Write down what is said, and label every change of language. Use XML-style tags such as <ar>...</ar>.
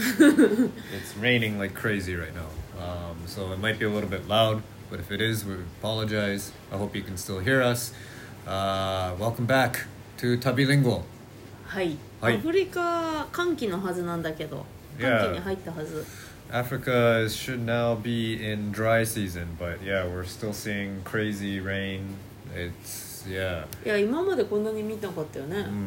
<en>It's raining like crazy right now. So it might be a little bit loud, but if it is, we apologize. I hope you can still hear us. Welcome back to Tabilingual.</en> <ja>はい。はい。アフリカ、乾季のはずなんだけど、乾季に入ったはず。</ja> <en>Africa should now be in dry season, but yeah, we're still seeing crazy rain. It's... Yeah.</en> <ja>いや、今までこんなに見なかったよね。</ja>